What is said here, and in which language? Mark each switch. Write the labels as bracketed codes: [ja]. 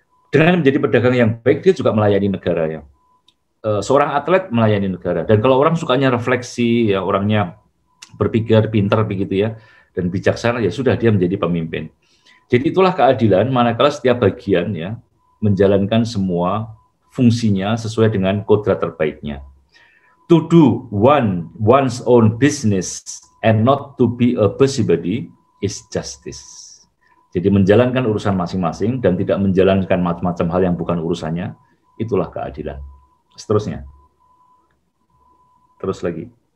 [id] Dengan menjadi pedagang yang baik, dia juga melayani negara ya. Seorang atlet melayani negara, dan kalau orang sukanya refleksi ya, orangnya berpikir pintar begitu ya, dan bijaksana, ya sudah dia menjadi pemimpin. Jadi itulah keadilan, manakala setiap bagian ya, menjalankan semua fungsinya sesuai dengan kodrat terbaiknya. [en] To do one's own business and not to be a busybody is justice. [id] Jadi menjalankan urusan masing-masing dan tidak menjalankan macam-macam hal yang bukan urusannya, itulah keadilan. Seterusnya. Terus lagi.